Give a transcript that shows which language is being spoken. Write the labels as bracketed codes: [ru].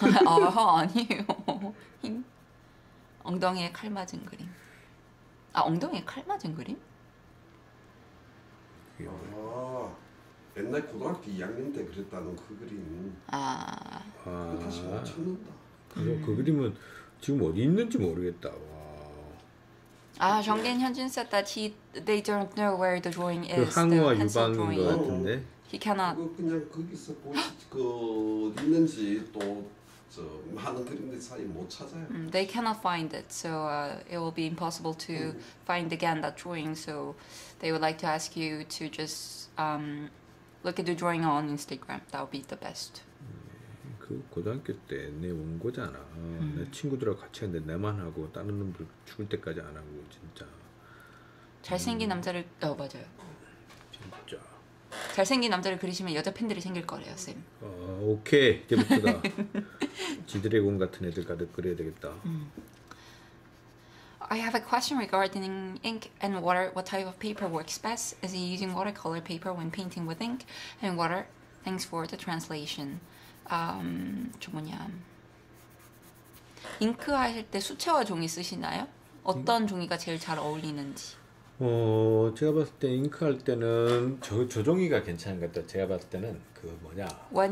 [ko] 아니에요. 힘. 엉덩이에 칼 맞은 그림. 아, 엉덩이에 칼 맞은 그림? 아, 옛날 고등학교 2학년 때 그렸다는 그 그림. 아. 아. 다시 못 찾는다. 그 그림은 지금 어디 있는지 모르겠다. 와. [en] 아, 정겐 현준 said that he they don't know where the drawing is. [ko] 그 항우와 유방인 것 같은데. [en] He cannot. [ko] 그 그냥 거기서 보시지 그 어디 있는지 또 저 많은 그림들 사이 못 찾아요. [en] They cannot find it, so it will be impossible to find again that drawing. So they would like to ask you to just look at the drawing on Instagram. That would be the best. [ko] 그 고등학교 때 내 온 거잖아. 내 친구들하고 같이 했는데 내만 하고 다른 놈들 죽을 때까지 안 하고 진짜. 잘생긴 남자를 어 맞아요. 진짜. 잘생긴 남자를 그리시면 여자 팬들이 생길 거래요, 쌤. 오케이 이제부터다. 지드래곤 같은 애들 가득 그려야 되겠다. [en] I have a question regarding ink and water. What type of paper works best? Is he using watercolor paper when painting with ink and water? Thanks for the translation. [ko] 저 뭐냐 잉크 하실 때 수채화 종이 쓰시나요? 어떤 종이가 제일 잘 어울리는지. 제가 봤을 때 잉크 할 때는 저 종이가 괜찮은 것 같아요. 제가 봤을 때는 그 뭐냐 [en] When